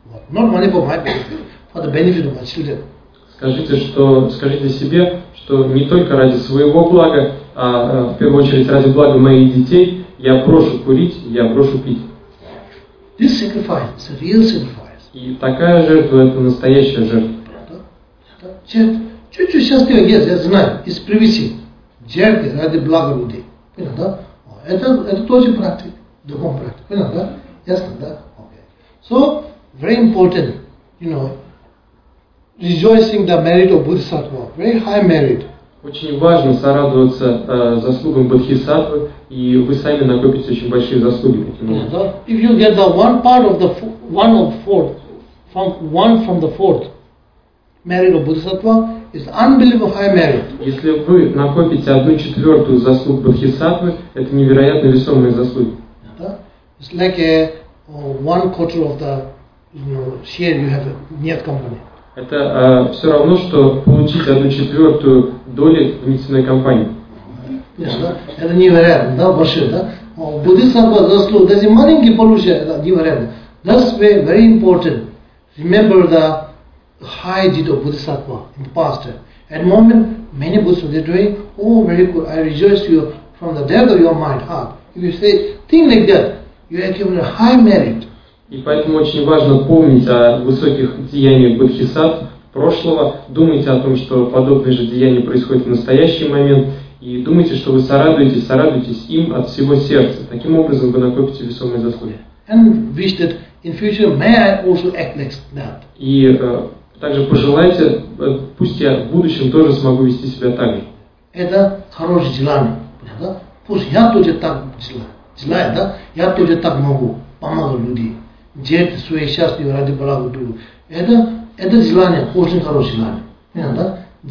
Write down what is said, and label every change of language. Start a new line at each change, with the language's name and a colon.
English: Not money for my benefit, for the benefit of my children.
Russian: Скажите себе, что не только ради своего блага, а в первую очередь ради блага моих детей, я брошу курить, я брошу пить.
English: This sacrifice is a real sacrifice.
Russian: И такая жертва – это настоящая жертва. Чуть-чуть счастливый гест, я знаю, из привычки. Жертвы ради блага людей. Понятно, да? Это тоже практика, духовная практика. Понятно, да? Ясно, да? Okay.
English: So, very important, you know, rejoicing the merit of Bodhisattva, very high merit.
Russian: Очень важно сорадоваться заслугам Бодхисаттвы, и вы сами накопите очень большие заслуги.
English: If you get the one part of the one from the fourth merit of Bodhisattva, it's unbelievable high merit.
Russian: Если вы накопите 1/4 заслуг Бодхисаттвы, это невероятно весомые заслуги.
English: It's like a one quarter of the share you have in your company.
Russian: Это все равно, что получить 1/4 доли в нефтяной компании. Это невероятно, да, большое, да? Буддистам заслуга, даже маленький получает, это невероятно.
English: That's very, very important. Remember the high deed of Buddhistatva in the past. At the moment, many Buddhists are doing, very good, I rejoice you from the depth of your mind, heart. If you say, think like that, you are given a high merit.
Russian: И поэтому очень важно помнить о высоких деяниях Бодхисаттв прошлого. Думайте о том, что подобные же деяния происходят в настоящий момент. И думайте, что вы сорадуетесь им от всего сердца. Таким образом вы накопите весомые заслуги.
English: And wish that in future may I also act like that.
Russian: И также пожелайте, пусть я в будущем тоже смогу вести себя так же. Это хорошее желание. Да? Пусть я тоже так желаю, да? Я тоже так могу помогать людям. Делать свои счастья ради блага другого. Это желание, очень хорошее желание. Понятно, да?